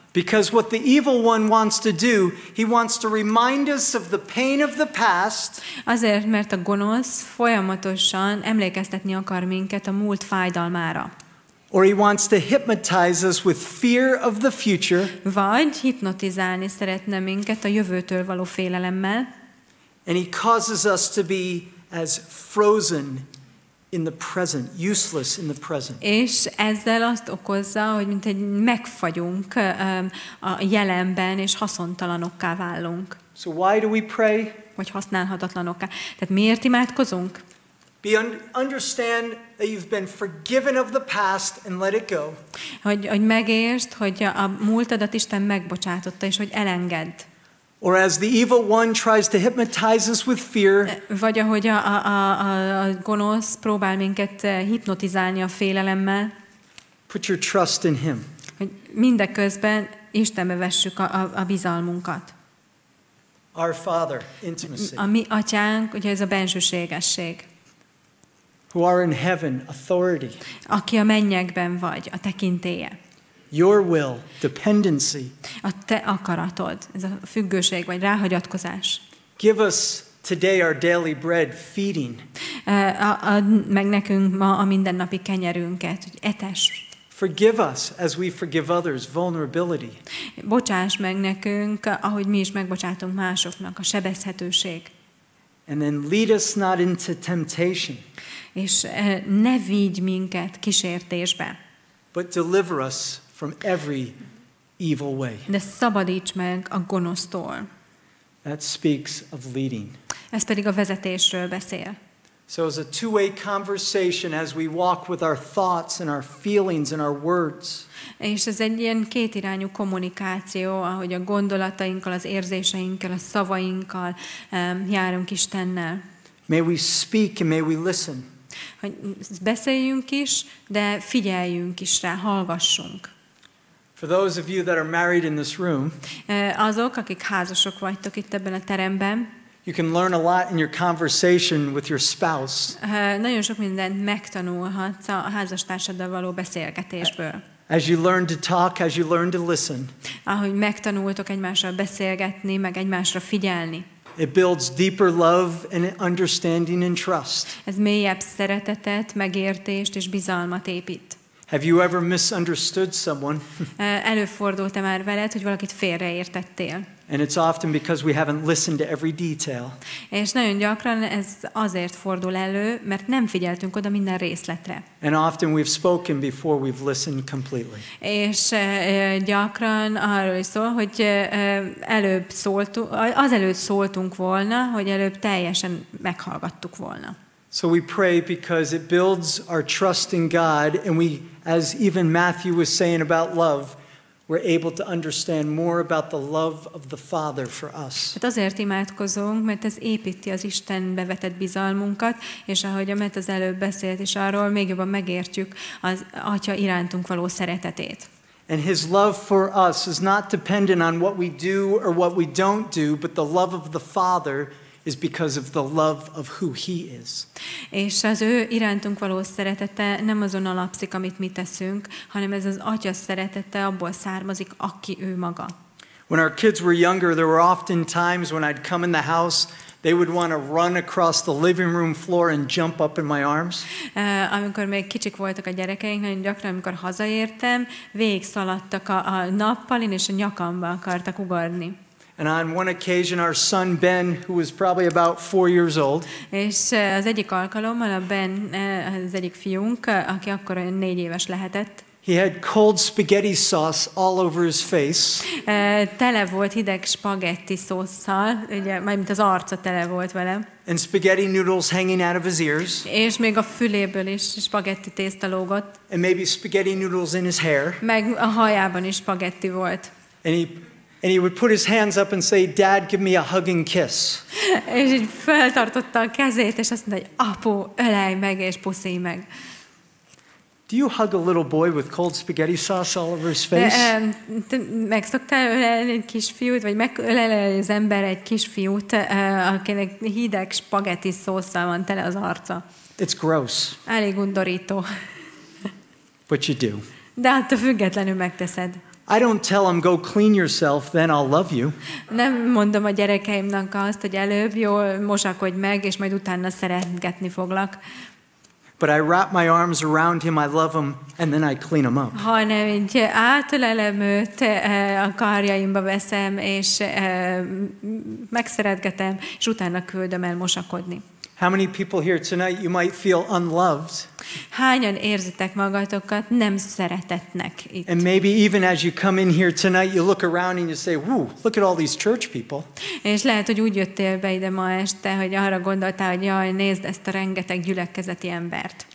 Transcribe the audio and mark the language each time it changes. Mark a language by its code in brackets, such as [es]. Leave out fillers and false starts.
[en] Because what the evil one wants to do, he wants to remind us of the pain of the past. [hu] Azért, mert a gonosz folyamatosan emlékeztetni akar minket a múlt fájdalmára. [en] Or he wants to hypnotize us with fear of the future. [hu] Vagy hipnotizálni szeretne minket a jövőtől való félelemmel. [en] And he causes us to be as frozen in the present, useless in the present. [hu] És ezzel azt okozza, hogy mint egy megfagyunk a jelenben, és haszontalanokká válunk. [en] So why do we pray? [hu] Vagy használhatatlanokká. Tehát miért imádkozunk? [en] Be understand that you've been forgiven of the past and let it go. [hu] Hogy megértsd, hogy a múltadat Isten megbocsátotta, és hogy elengedd. [en] Or as the evil one tries to hypnotize us with fear. [hu] Vagy ahogy a gonosz próbál minket hipnotizálni a félelemmel. [en] Put your trust in him. [hu] Hogy mindeközben Istenbe vessük a bizalmunkat. [en] Our Father, intimacy. [hu] A mi atyánk, ugye ez a bensőségesség. [en] Who are in heaven, authority. [hu] Aki a mennyekben vagy, a tekintélye. [en] Your will, dependency. [hu] A te akaratod, ez a függőség vagy ráhagyatkozás. [en] Give us today our daily bread, feeding. [hu] Add meg nekünk ma a mindennapi kenyerünket, hogy etess. [en] Forgive us as we forgive others, vulnerability. [hu] Bocsáss meg nekünk, ahogy mi is megbocsátunk másoknak, a sebezhetőség. [en] And then lead us not into temptation. [hu] És ne vigy minket kísértésbe. [en] But deliver us from every evil way. [hu] De szabadíts meg a gonosztól. [en] That speaks of leading. [hu] Ez pedig a vezetésről beszél. [en] So it's a two-way conversation as we walk with our thoughts and our feelings and our words. [hu] És ez egy ilyen kétirányú kommunikáció, ahogy a gondolatainkkal, az érzéseinkkel, a szavainkkal járunk Istennel. [en] May we speak and may we listen. [hu] Hogy beszéljünk is, de figyeljünk is rá, hallgassunk. [en] For those of you that are married in this room, [hu] azok, akik házasok vagytok itt ebben a teremben, [en] you can learn a lot in your conversation with your spouse. [hu] Nagyon sok mindent megtanulhatsz a házastársaddal való beszélgetésből. [en] As you learn to talk, as you learn to listen. [hu] Ahogy megtanultok egymással beszélgetni, meg egymásra figyelni. [en] It builds deeper love and understanding and trust. [hu] Ez mélyebb szeretetet, megértést és bizalmat épít. [en] Have you ever misunderstood someone? [hu] Előfordult-e már veled, hogy valakit félreértettél? [en] And it's often because we haven't listened to every detail. [hu] És nagyon gyakran ez azért fordul elő, mert nem figyeltünk oda minden részletre. [en] And often we've spoken before we've listened completely. [hu] És gyakran arról is szól, hogy előbb szóltunk volna, hogy előbb teljesen meghallgattuk volna. [en] So we pray because it builds our trust in God, and we, as even Matthew was saying about love, we're able to understand more about the love of the Father for us. [hu] Hát azért imádkozunk, mert ez építi az Istenbe vetett bizalmunkat, és ahogy a Matt az előbb beszélt is arról, még jobban megértjük az Atya irántunk való szeretetét. [en] And his love for us is not dependent on what we do or what we don't do, but the love of the Father is because of the love of who he is. [hu] És az ő irántunk való szeretete nem azon alapszik, amit mi teszünk, hanem ez az Atya szeretete abból származik, aki ő maga. [en] When our kids were younger, there were often times when I'd come in the house They would want to run across the living room floor and jump up in my arms. [hu] Amikor még kicsik voltak a gyerekeink, nagyon gyakran, amikor hazaértem, végigszaladtak a nappalin és a nyakamba akartak ugorni. [en] And on one occasion, our son Ben, who was probably about 4 years old, [hu] és az egyik alkalommal a Ben, az egyik fiunk, aki akkor 4 éves lehetett. [en] He had cold spaghetti sauce all over his face. [hu] Tele volt hideg spagetti szósszal, ugye, mármint az arca tele volt vele. [en] And spaghetti noodles hanging out of his ears. [hu] És még a füléből is spagetti tészta lógott. [en] And maybe spaghetti noodles in his hair. [hu] Meg a hajában is spagetti volt. [en] And he would put his hands up and say, "Dad, give me a hug and kiss." [hu] És így feltartotta a kezét, és azt mondta, hogy apu, ölelj meg és puszíj meg. [en] Do you hug a little boy with cold spaghetti sauce all over his face? [hu] Meg szoktál ölelni egy kisfiút, vagy megölelni az ember egy kisfiút, akinek hideg spagetti szósszal van tele az arca. [en] It's gross. [hu] Elég undorító. [en] But you do. [hu] De attól függetlenül megteszed. [en] I don't tell him go clean yourself, then I'll love you. [hu] Nem mondom a gyerekeimnek azt, hogy előbb jó, mosakodj meg, és majd utána szeretgetni foglak. [en] But I wrap my arms around him, I love him, and then I clean him up. [hu] Hanem így átölelem őt, a karjaimba veszem, és megszeretgetem, és utána küldöm el mosakodni. [en] How many people here tonight you might feel unloved? [hu] Hányan érzitek magatokat nem szeretetnek itt? [en] And maybe even as you come in here tonight, you look around and you say, "Woo, look at all these church people." [hu] És lehet, hogy úgy jöttél be ide ma este, hogy arra gondoltál, hogy jaj, nézd ezt a rengeteg gyülekezeti embert.